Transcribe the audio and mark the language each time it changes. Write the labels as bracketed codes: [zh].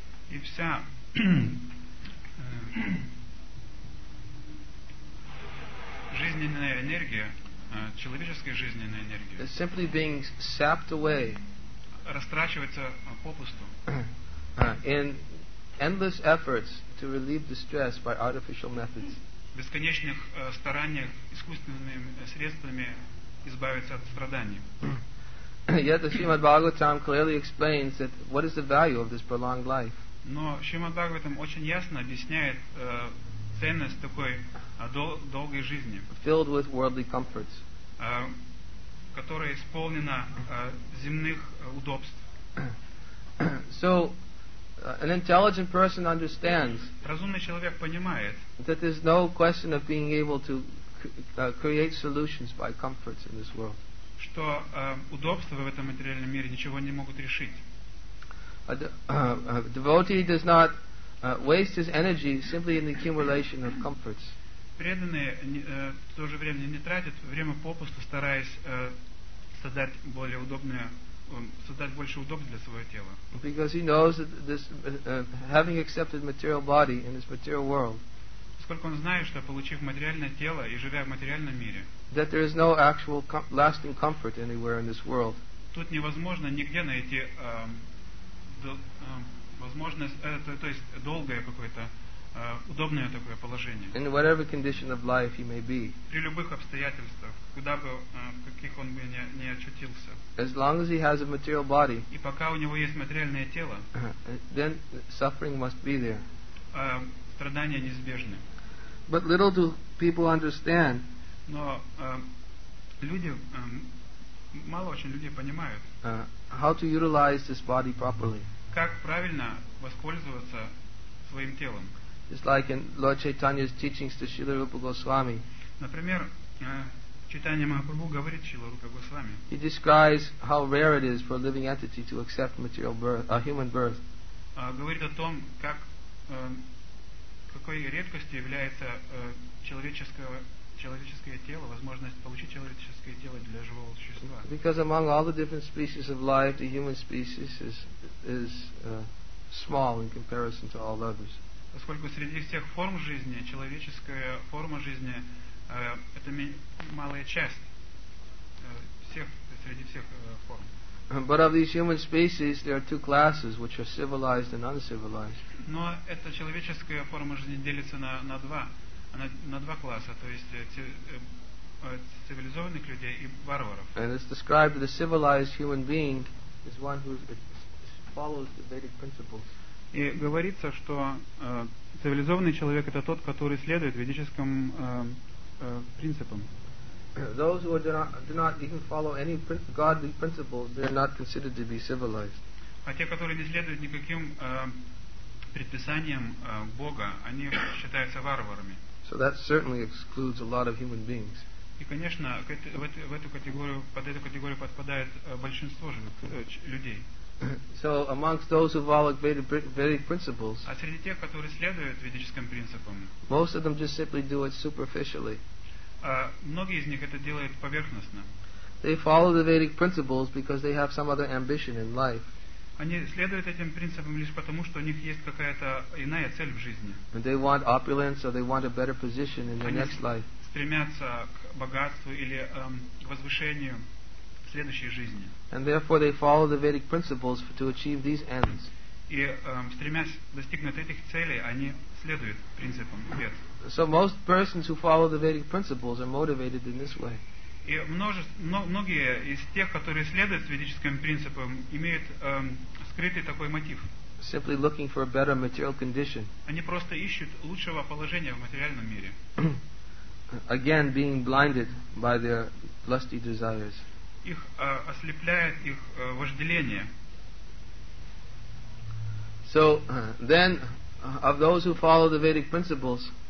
[ru] И вся жизненная энергия, человеческая жизненная энергия. [en] It's simply being sapped away. [ru] Растрачивается попусту. [en] In endless efforts to relieve distress by artificial methods. [ru] В бесконечных стараниях искусственными средствами избавиться от страданий. [en] Yet the Srimad Bhagavatam clearly explains that what is the value of this prolonged life. [ru] Но Шримад Бхагаватам очень ясно объясняет ценность такой долгой жизни, [en] filled with worldly comforts, [ru] которая исполнена земных удобств. [en] So, an intelligent person understands. [ru] Разумный человек понимает. [en] That there's no question of being able to create solutions by comforts in this world. [ru] Что удобства в этом материальном мире ничего не могут решить. [en] A devotee does not waste his energy simply in the accumulation of comforts. [ru] Преданные в то же время не тратят время попусту, стараясь создать больше удобств для своего тела. [en] Because he knows that this, having accepted material body in this material world, [ru] поскольку он знает, что получив материальное тело и живя в материальном мире, [en] that there is no actual lasting comfort anywhere in this world. [ru] Тут невозможно нигде найти то есть долгое какое-то удобное такое положение. [en] In whatever condition of life he may be. [ru] При любых обстоятельствах, куда бы каких он бы не очутился. [en] As long as he has a material body. [ru] И пока у него есть материальное тело. [en] Then suffering must be there. [ru] Страдания неизбежны. [en] But little do people understand. [ru] Но люди мало очень людей понимают. [en] How to utilize this body properly. [ru] Как правильно воспользоваться своим телом. [en] It's like in Lord Chaitanya's teachings to Srila Rupa Goswami. [ru] Например, Чайтанья Махапрабху говорит Шрила Рупа Госвами. [en] He describes how rare it is for a living entity to accept material birth, a human birth. [ru] Говорит о том, как какой редкостью является человеческое тело, возможность получить человеческое тело для живого существа. [en] Because among all the different species of life, the human species is small in comparison to all others. [ru] Поскольку среди всех форм жизни, человеческая форма жизни это малая часть среди всех форм. [en] But of these human species, there are two classes, which are civilized and uncivilized. [ru] Но эта человеческая форма жизни делится на два. На два класса, то есть цивилизованных людей и варваров. [en] And it's described that a civilized human being is one who follows the Vedic principles. [ru] И говорится, что цивилизованный человек это тот, который следует ведическим принципам. [en] Those who do not even follow any godly principles, they are not considered to be civilized. [ru] А те, которые не следуют никаким предписаниям Бога, они считаются варварами. [en] So that certainly excludes a lot of human beings. [ru] И, конечно, под эту категорию подпадает большинство людей. [en] So amongst those who follow Vedic principles, [ru] а среди тех, которые следуют ведическим принципам, [en] most of them just simply do it superficially. [ru] Многие из них это делают поверхностно. [en] They follow the Vedic principles because they have some other ambition in life. [ru] Они следуют этим принципам лишь потому, что у них есть какая-то иная цель в жизни. [en] They want opulence or they want a better position in their next life. [ru] Они стремятся к богатству или к возвышению в следующей жизни. [en] And therefore they follow the Vedic principles to achieve these ends. [ru] И стремясь достигнуть этих целей, они следуют принципам Вед. [en] So most persons who follow the Vedic principles are motivated in this way. [ru] И многие из тех, которые следуют ведическим принципам, имеют скрытый такой мотив. [en] Simply looking for a better material condition. [ru] Они просто ищут лучшего положения в материальном мире. [en] Again, being blinded by their lusty desires. [ru] Их ослепляет их вожделение. [en] So, then, of those who follow the Vedic principles,